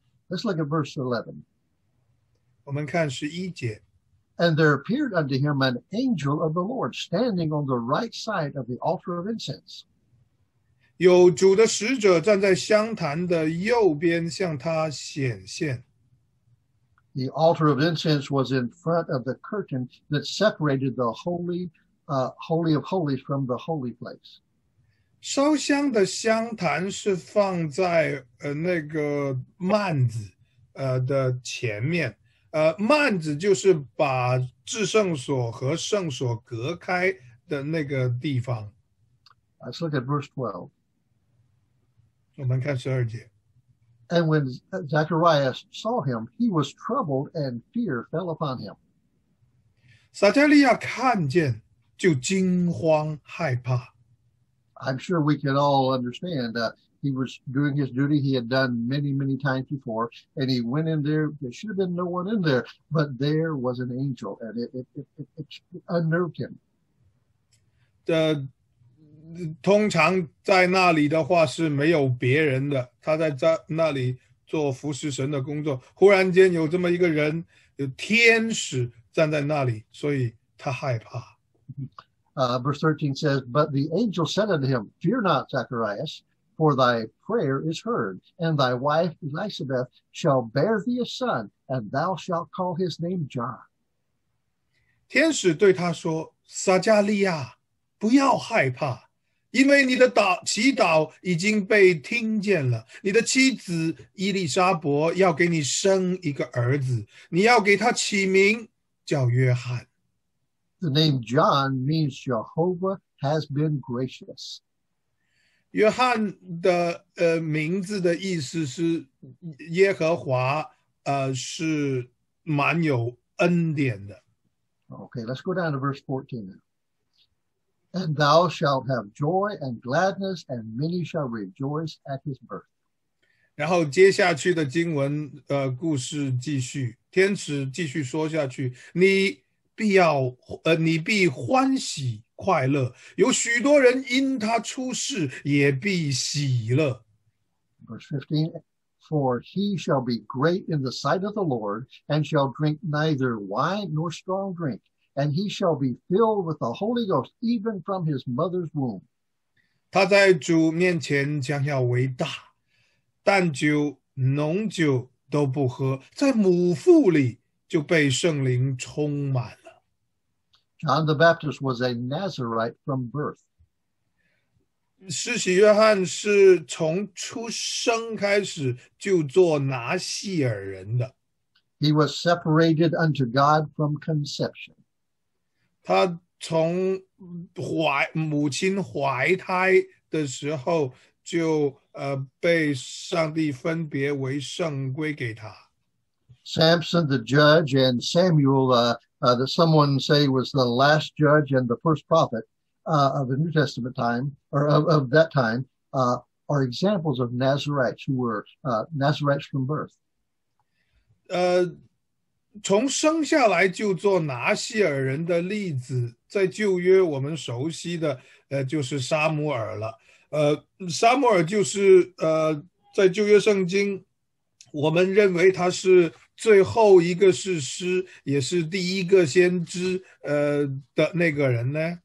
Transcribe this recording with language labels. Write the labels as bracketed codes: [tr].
[en] Let's look at verse 11. [zh] 我们看十一节。 [en] And there appeared unto him an angel of the Lord standing on the right side of the altar of incense. [zh] 有主的使者站在香坛的右边向他显现。 [en] The altar of incense was in front of the curtain that separated the holy of holies from the holy place. [zh] 烧香的香坛是放在那个幔子的前面。幔子就是把至圣所和圣所隔开的那个地方。 [en] Let's look at verse 12. [zh] 我们看十二节。 [en] And when Zacharias saw him, he was troubled and fear fell upon him. [zh] 撒加利亚看见就惊慌害怕。 [en] I'm sure we can all understand that he was doing his duty he had done many, many times before, and he went in there. There should have been no one in there, but there was an angel, and it unnerved him. [zh] 通常在那里的话是没有别人的，他在那里做服侍神的工作，忽然间有这么一个人，有天使站在那里，所以他害怕。 [en] Verse 13 says, But the angel said unto him, Fear not, Zacharias, for thy prayer is heard, and thy wife Elizabeth shall bear thee a son, and thou shalt call his name John. [zh] 天使对他说，撒加利亚，不要害怕，因为你的祈祷已经被听见了。你的妻子伊丽莎伯要给你生一个儿子，你要给他起名叫约翰。 [en] The name John means Jehovah has been gracious. [zh] 约翰的名字的意思是耶和华是蛮有恩典的。 [en] Okay, let's go down to verse 14 now. And thou shalt have joy and gladness, and many shall rejoice at his birth. [zh] 然后接下去的经文故事继续，天使继续说下去，你必欢喜快乐，有许多人因他出世也必喜乐。 [en] Verse 15, For he shall be great in the sight of the Lord, and shall drink neither wine nor strong drink, and he shall be filled with the Holy Ghost even from his mother's womb. [zh] 他在主面前将要为大，但酒浓酒都不喝，在母腹里就被圣灵充满。 [en] John the Baptist was a Nazarite from birth. [zh] 施洗约翰是从出生开始就做拿细耳人的。 [en] He was separated unto God from conception. [zh] 他从母亲怀胎的时候就被上帝分别为圣归给他。 [en] Samson the judge and Samuel that someone say was the last judge and the first prophet of the New Testament time, or of that time, are examples of Nazarites who were Nazarites from birth. [zh] 从生下来就做拿细耳人的例子，在旧约我们熟悉的就是撒母耳了。撒母耳就是在旧约圣经，我们认为他是。最后一个是诗，也是第一个先知的那个人呢。